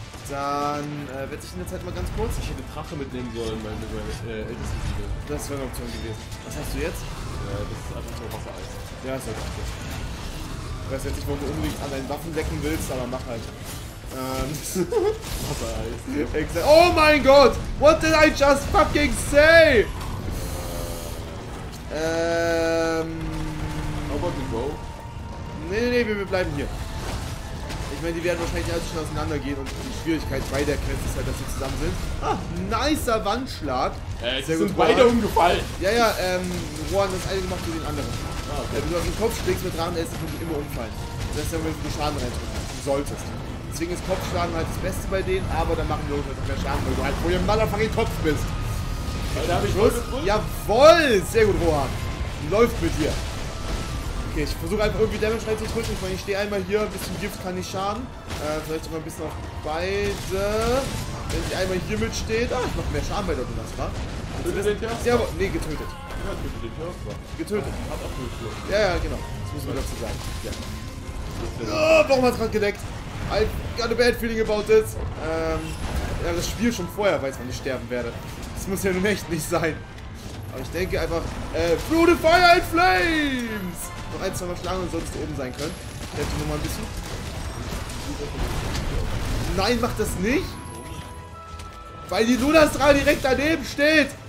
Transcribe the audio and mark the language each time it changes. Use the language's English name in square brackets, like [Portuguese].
[German] Dann werde ich in der Zeit mal ganz kurz. Ich hätte Drache mitnehmen sollen, meine ältesten Siege. Das wäre eine Option gewesen. Was hast du jetzt? Das ist einfach nur Wassereis. Ja, ist halt okay. Ich weiß jetzt nicht, wo du unbedingt an deinen Waffen decken willst, aber mach halt. Wassereis. Exakt. Oh mein Gott! [English] What did I just fucking say? How about the bow? [German] Nee, wir bleiben hier. Ich meine, die werden wahrscheinlich alles schon auseinandergehen und die Schwierigkeit bei der Quest ist halt, dass sie zusammen sind. Ah, nicer Wandschlag. Sehr gut, sind Rohan. Beide umgefallen. Ja, Rohan hat das eine gemacht wie den anderen. Okay. Wenn du auf den Kopf schlägst mit Drachen, ist es immer umfallen. Das ist ja, wenn du Schaden reinbringst. Du solltest. Deswegen ist Kopfschlagen halt das Beste bei denen, aber dann machen wir uns halt mehr Schaden, weil du halt vorher motherfucking Kopf bist. Okay, darf ich los? Jawoll! Sehr gut, Rohan. Läuft mit dir. Okay, ich versuche einfach irgendwie Damage reinzudrücken. Ich meine, ich stehe einmal hier, ein bisschen Gift kann ich schaden. Vielleicht sogar ein bisschen auf beide. Wenn ich einmal hier mitstehe, da ich mache mehr Schaden bei der Lunastra. Das ist ja. Nee, getötet. Ja, getötet. Hat auch gut. Ja, genau. Das müssen wir dazu sagen. Ja. Warum hat es gerade gedeckt? [English] I got a bad feeling about it. [German] Ja, das Spiel schon vorher weiß, wann ich sterben werde. Das muss ja nun echt nicht sein. Aber ich denke einfach, [English] through the fire and flames! [German] Noch ein, zwei Mal schlagen und sonst oben sein können. Ich helfe nur mal ein bisschen. Nein, mach das nicht! Weil die Lunastrahl direkt daneben steht!